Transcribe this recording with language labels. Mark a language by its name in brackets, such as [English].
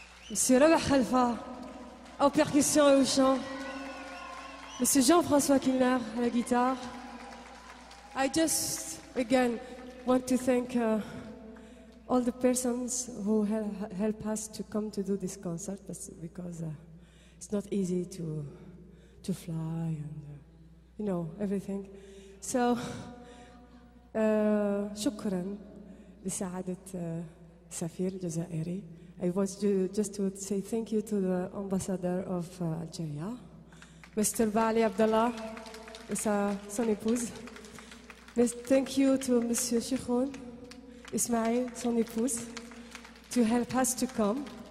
[French] Monsieur Rabah Khalfa aux percussions et au chant. Monsieur Jean-François Kilner à la guitare. [English] I just again want to thank all the persons who help us to come to do this concert, because it's not easy to fly and you know everything. [Arabic] So شكراً لسعادة سفير جزائري. [English] I was just to say thank you to the ambassador of Algeria, Mr. Baali Abdallah, with [French] son épouse. [English] Thank you to Monsieur Chikhoun Ismail, son épouse, to help us to come.